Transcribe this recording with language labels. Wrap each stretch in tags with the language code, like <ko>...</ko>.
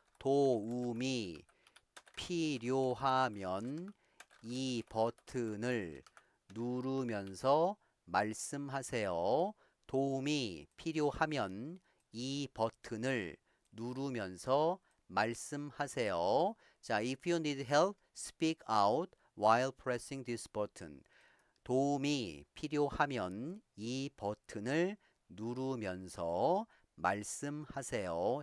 <ko>도움이 필요하면 이 버튼을 누르면서 말씀하세요. 도움이 필요하면 이 버튼을 누르면서 말씀하세요.</ko> <en>자, if you need help, speak out while pressing this button.</en> <ko>도움이 필요하면 이 버튼을 누르면서 말씀하세요.</ko>